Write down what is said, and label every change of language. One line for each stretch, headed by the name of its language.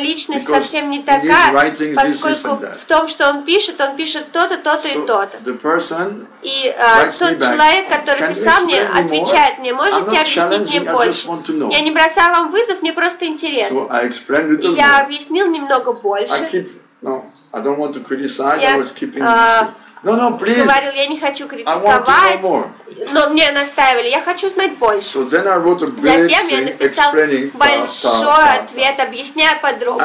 Russian: Личность совсем не такая, поскольку в том, что он пишет то-то, то-то
English: so
Russian: и то-то.
English: The person
Russian: и тот человек, который писал мне, отвечает мне, можете объяснить мне больше? Я не бросал вам вызов, мне просто интересно.
English: So I explained little
Russian: я объяснил немного больше.
English: I don't want to criticize, I was keeping this. No, please.
Russian: Говорил, я не хочу критиковать, но мне настаивали, я хочу знать больше.
English: So then I wrote a great
Russian: Затем я написал большой ответ, объясняя подробно.